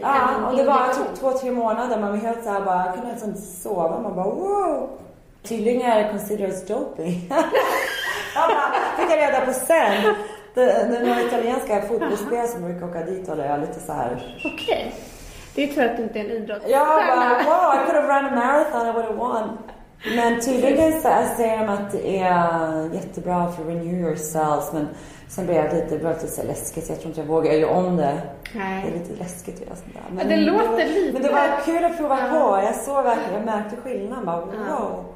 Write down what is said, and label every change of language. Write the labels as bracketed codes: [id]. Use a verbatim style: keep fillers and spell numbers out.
[sv] Ja, en och det var typ två, tre månader. Man var helt så här bara, jag kunde inte ens sova. Man bara, wow. Tydligen considers doping. Jag bara, fick jag reda på sen. Det, det var italienska fotbollsspelare som brukar åka dit och det är lite så här. Okej. Okay. Det tror jag att det inte är en idrott. Jag bara, [en] wow, I could have run a marathon, I would have won. [sv] Men tydligen så säger de att det är jättebra för renew yourselves. Men sen blev jag lite, började så läskigt. Jag tror inte jag vågar göra om det. Nej. Det är lite läskigt att göra sånt där. Men det låter det, lite. Men det var kul att prova på. Jag såg verkligen, jag märkte skillnaden. Bara, wow.